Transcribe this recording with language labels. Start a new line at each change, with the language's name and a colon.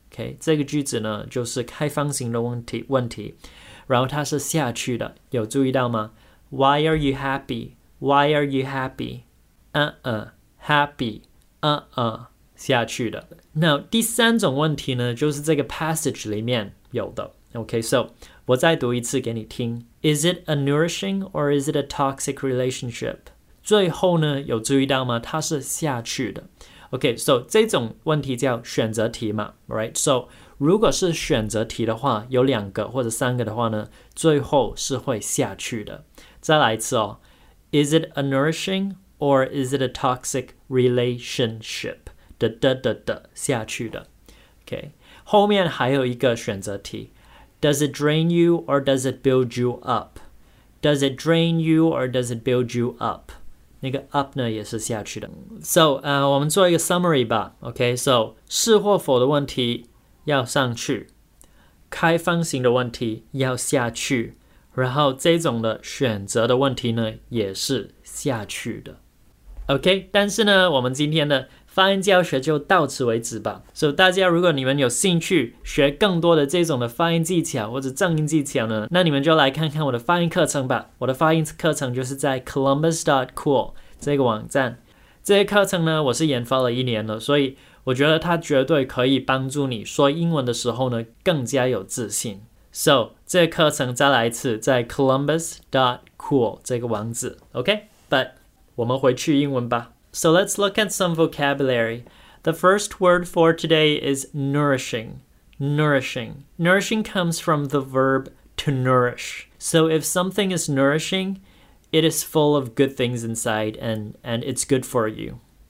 English: Okay,
Chinese: 这个句子呢就是开放型的问题，然后它是下去的，有注意到吗？
English: Why are you happy? Why are you happy? Happy,
Chinese: 下去的。那第三种问题呢，就是这个 passage 里面有的。
English: Okay, so
Chinese: 我再读一次给你听。
English: Is it a nourishing or is it a toxic relationship?
Chinese: 最后呢，有注意到吗？它是下去的。
English: Okay, so
Chinese: 这种问题叫选择题嘛 ，
English: right? So
Chinese: 如果是选择题的话，有两个或者三个的话呢，最后是会下去的。再来一次哦
English: ，Is it a nourishing or is it a toxic relationship?
Chinese: 下去的。
English: Okay,
Chinese: 后面还有一个选择题
English: ，Does it drain you or does it build you up? Does it drain you or does it build you up?
Chinese: 那个 up 呢也是下去的。
English: So,
Chinese: 我们做一个 summary 吧。
English: Okay, so,
Chinese: 是或否的问题要上去。开放型的问题要下去。然后这种的选择的问题呢也是下去的。
English: Okay,
Chinese: 但是呢我们今天的发音教学就到此为止吧。
English: So,
Chinese: 大家如果你们有兴趣学更多的这种的发音技巧或者正音技巧呢，那你们就来看看我的发音课程吧。我的发音课程就是在 columbus.cool 这个网站。这些课程呢我是研发了一年了，所以我觉得它绝对可以帮助你说英文的时候呢更加有自信。
English: So,
Chinese: 这个课程再来一次在 columbus.cool 这个网址。
English: Okay, but
Chinese: 我们回去英文吧。
English: So let's look at some vocabulary. The first word for today is nourishing. Nourishing. Nourishing comes from the verb to nourish. So if something is nourishing, it is full of good things inside and it's good for you.